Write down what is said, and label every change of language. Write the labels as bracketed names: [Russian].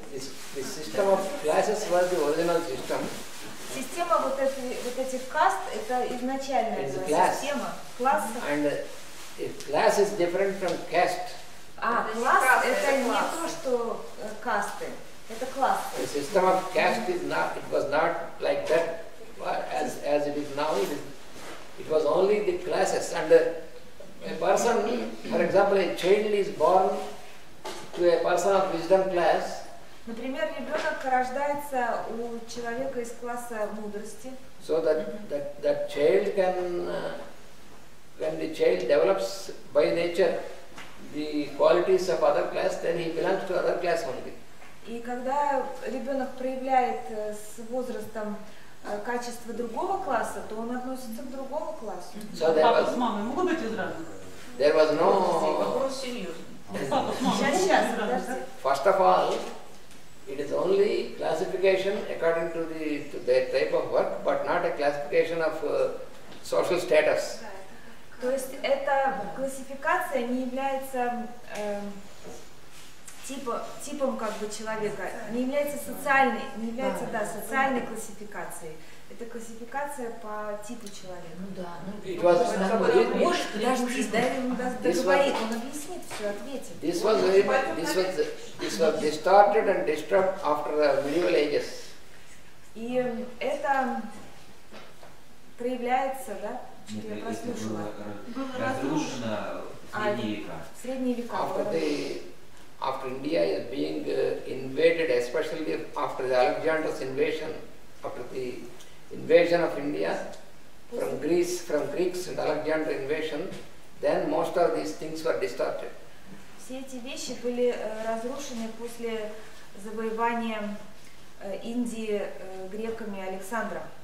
[English] The system of classes was the original system. [Russian] Система вот этих каст это изначальная система. Класс. [English] And if class is different from caste. [Russian] А класс это не то что касты, это класс. [English] The system of caste is not. It was not like that as it is now. It was only the classes. And a person, for example, a child is born to a person of wisdom class. [Russian] Например, ребенок рождается у человека из класса мудрости. [English] So that child can, when the child develops by nature the qualities of other class, then he belongs to other class only. [Russian] И когда ребенок проявляет с возрастом качества другого класса, то он относится к другому классу. So папа с мамой могут быть из разных? [English] There was no... [Russian] Вопрос серьезный. Папа с мамой могут быть из разных? [English] First of all, it is only classification according to the to their type of work, but not a classification of social status. [Russian] То есть эта классификация не является типом как бы человека не является социальной, не является да, социальной классификацией. Это классификация по типу человека. Ну да. Ну, [English] it was [Russian] very может, даже дай ему договорить, он объяснит, все ответит. [English] This was very, this was distorted and disturbed after the medieval ages. [Russian] И это проявляется, да? Я прослушала. Было разрушено в средние века. [English] After India is being invaded, especially after the Alexander's invasion, after the invasion of India from Greece, from Greeks and Alexander invasion, then most of these things were distorted. [Russian] Все эти вещи были разрушены после завоевания Индии греками Александра.